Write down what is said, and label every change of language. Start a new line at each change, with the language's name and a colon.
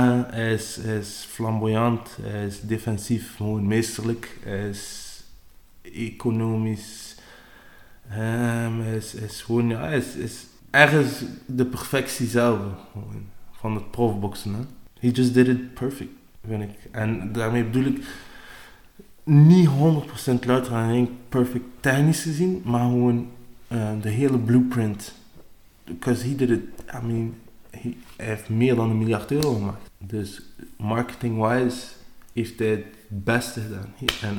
Dutch: Hij is flamboyant, hij is defensief, gewoon meesterlijk, hij is economisch... Hij is ergens de perfectie zelf van het profboksen.
English: He just did it perfect,
Dutch: vind ik. En daarmee bedoel ik niet 100% louter aan één perfect technisch gezien, maar gewoon de hele blueprint.
English: Because he did it, I mean,
Dutch: hij heeft meer dan 1 miljard euro gemaakt. Dus marketing-wise heeft hij het beste gedaan.